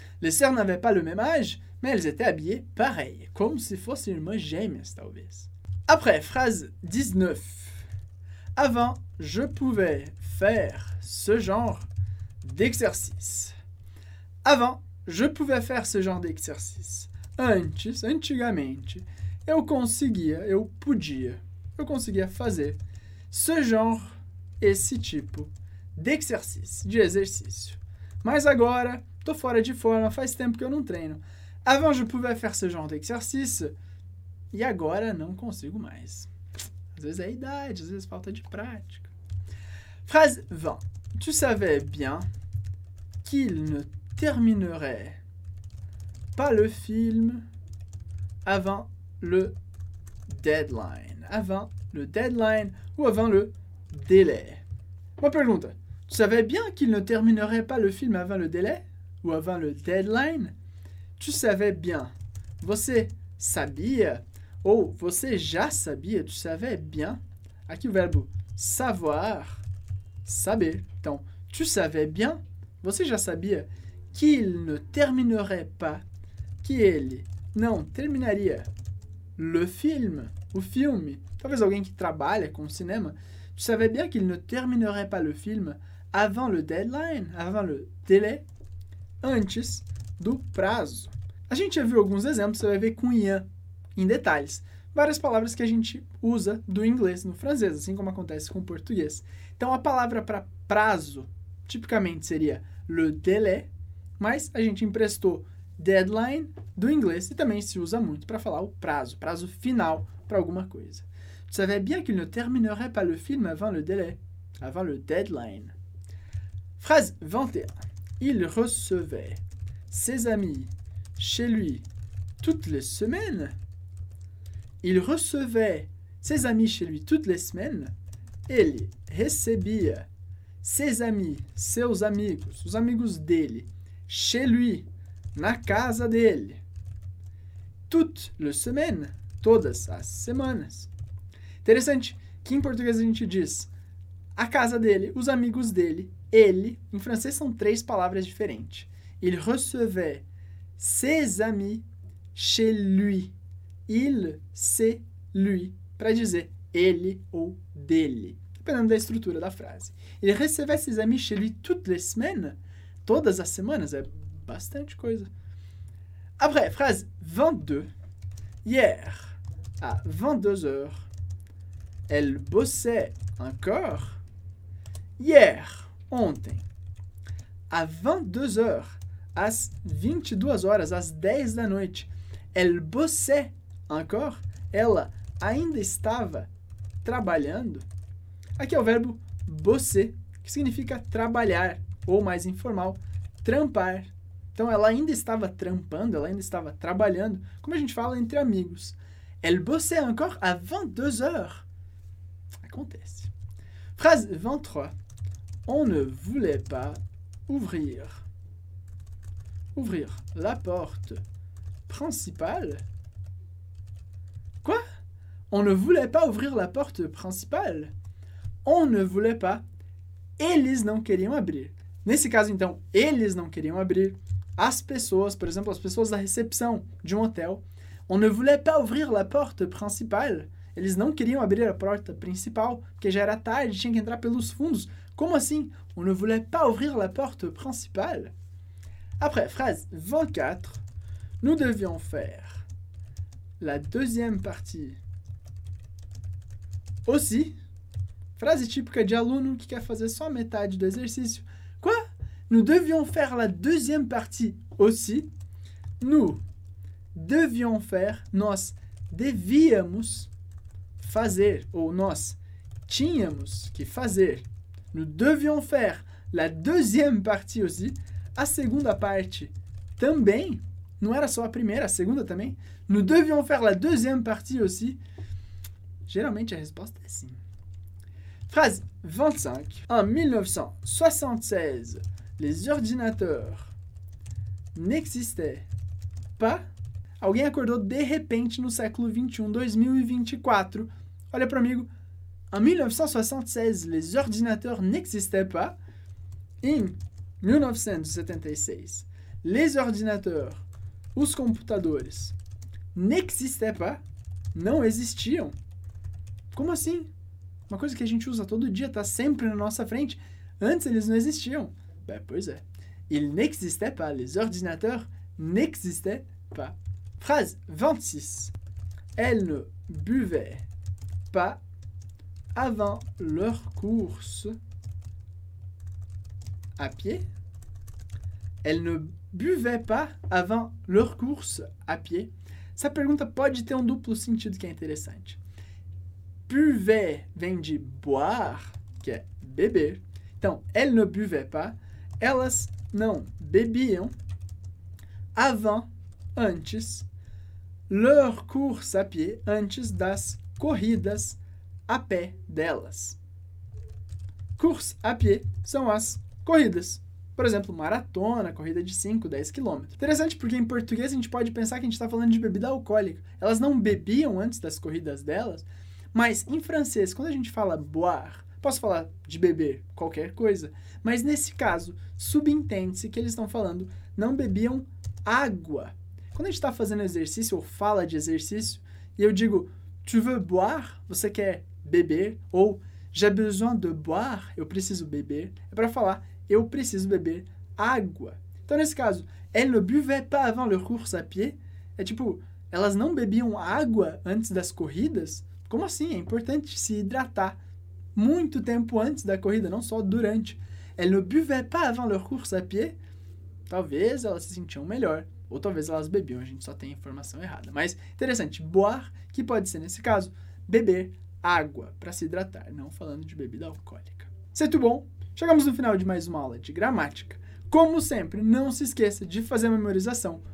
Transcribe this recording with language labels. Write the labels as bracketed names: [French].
[French] Les sœurs n'avaient pas le même âge, mais elles étaient habillées pareil, [Portuguese] como se fossem irmãs gêmeas, talvez. [French] Après, phrase 19. Avant, je pouvais faire ce genre d'exercice. Avant, je pouvais faire ce genre d'exercice. [Portuguese] Antes, antigamente, eu conseguia fazer [French] ce genre, [Portuguese] esse tipo d'exercice, de exercício. Mas agora, tô fora de forma, faz tempo que eu não treino. [French] Avant, je pouvais faire ce genre d'exercice [Portuguese] e agora não consigo mais. Às vezes é a idade, às vezes falta de prática. [French] Phrase 20. Tu savais bien qu'il ne terminerait pas le film avant le deadline. Avant le deadline ou avant le délai. Ma pergunta. Tu savais bien qu'il ne terminerait pas le film avant le délai ou avant le deadline? Tu savais bien. [Portuguese] Você sabia? Ou você já sabia? [French] Tu savais bien? [Portuguese] Aqui o verbo savoir. Saber. Então, [French] tu savais bien, [Portuguese] você já sabia [French] qu'il ne terminerait pas, [Portuguese] que ele não terminaria [French] le film, [Portuguese] o filme. Talvez alguém que trabalha com cinema. [French] Tu savais bien qu'il ne terminerait pas le film avant le deadline, avant le délai, [Portuguese] antes do prazo. A gente já viu alguns exemplos, você vai ver com Ian em detalhes. Várias palavras que a gente usa do inglês no francês, assim como acontece com o português. Então, a palavra para prazo, tipicamente, seria le délai, mas a gente emprestou deadline do inglês e também se usa muito para falar o prazo, prazo final para alguma coisa. [French] Tu savais bien qu'il ne terminerait pas le film avant le délai, avant le deadline. Phrase 21. Il recevait ses amis chez lui toutes les semaines. Il recevait ses amis chez lui toutes les semaines. [Portuguese] Ele recebia [French] ses amis, [Portuguese] seus amigos, os amigos dele, [French] chez lui, [Portuguese] na casa dele. [French] Toutes les semaines, [Portuguese] todas as semanas. Interessante que em português a gente diz a casa dele, os amigos dele, ele. Em francês são três palavras diferentes. [French] Il recevait ses amis chez lui. Il, c'est lui, [Portuguese] para dizer ele ou dele, dependendo da estrutura da frase. [French] Il recevait ses amis chez lui toutes les semaines, [Portuguese] todas as semanas, é bastante coisa. [French] Après, phrase 22. Hier, à 22h, elle bossait encore. [Portuguese] Hier, ontem, à 22h, às 22 horas, às 10 da noite, [French] elle bossait encore, [Portuguese] ela ainda estava trabalhando. Aqui é o verbo bosser, que significa trabalhar, ou mais informal, trampar. Então, ela ainda estava trampando, ela ainda estava trabalhando, como a gente fala entre amigos. [French] Elle bossait encore à 22 heures. [Portuguese] Acontece. [French] Phrase 23. On ne voulait pas ouvrir la porte principale. Quoi? On ne voulait pas ouvrir la porte principale. On ne voulait pas. [Portuguese] Eles não queriam abrir. Nesse caso, então, eles não queriam abrir. As pessoas, por exemplo, as pessoas da recepção de um hotel. [French] On ne voulait pas ouvrir la porte principale. [Portuguese] Eles não queriam abrir a porta principal, porque já era tarde, tinha que entrar pelos fundos. Como assim? [French] On ne voulait pas ouvrir la porte principale. Après, phrase 24. Nous devions faire la deuxième partie aussi. [Portuguese] Frase típica de aluno que quer fazer só a metade do exercício. [French] Quoi? Nous devions faire la deuxième partie aussi. Nous devions faire, [Portuguese] nós devíamos fazer, ou nós tínhamos que fazer. [French] Nous devions faire la deuxième partie aussi. [Portuguese] A segunda parte também. Não era só a primeira, a segunda também. [French] Nous devions faire la deuxième partie aussi. [Portuguese] Geralmente a resposta é sim. [French] Phrase 25. En 1976, les ordinateurs n'existaient pas. [Portuguese] Alguém acordou de repente no século 21, 2024. Olha para o amigo. [French] En 1976, les ordinateurs n'existaient pas. [Portuguese] Em 1976, [French] les ordinateurs, [Portuguese] os computadores, [French] n'existaient pas, [Portuguese] não existiam. Como assim? Uma coisa que a gente usa todo dia, tá sempre na nossa frente. Antes eles não existiam. Ben, pois é. [French] Il n'existait pas, les ordinateurs n'existaient pas. Phrase 26. Elle ne buvait pas avant leur course à pied. Elle ne buvaient pas avant leur course à pied? [Portuguese] Essa pergunta pode ter um duplo sentido que é interessante. Buvait vem de boire, que é beber. Então, [French] elles ne buvaient pas. [Portuguese] Elas não bebiam avant, antes, [French] leur course à pied, [Portuguese] antes das corridas a pé delas. Course à pied são as corridas. Por exemplo, maratona, corrida de 5, 10 quilômetros. Interessante porque em português a gente pode pensar que a gente está falando de bebida alcoólica. Elas não bebiam antes das corridas delas, mas em francês, quando a gente fala boire, posso falar de beber qualquer coisa, mas nesse caso, subentende-se que eles estão falando não bebiam água. Quando a gente está fazendo exercício ou fala de exercício, e eu digo, [French] tu veux boire? [Portuguese] Você quer beber? Ou, [French] j'ai besoin de boire? [Portuguese] Eu preciso beber. É para falar, eu preciso beber água. Então, nesse caso, [French] elles ne buvaient pas avant leur course à pied? [Portuguese] É tipo, elas não bebiam água antes das corridas? Como assim? É importante se hidratar muito tempo antes da corrida, não só durante. [French] Elles ne buvaient pas avant leur course à pied? [Portuguese] Talvez elas se sentiam melhor. Ou talvez elas bebiam, a gente só tem informação errada. Mas, interessante, boire, que pode ser, nesse caso, beber água para se hidratar, não falando de bebida alcoólica. [French] C'est tout bon? [Portuguese] Chegamos no final de mais uma aula de gramática. Como sempre, não se esqueça de fazer a memorização.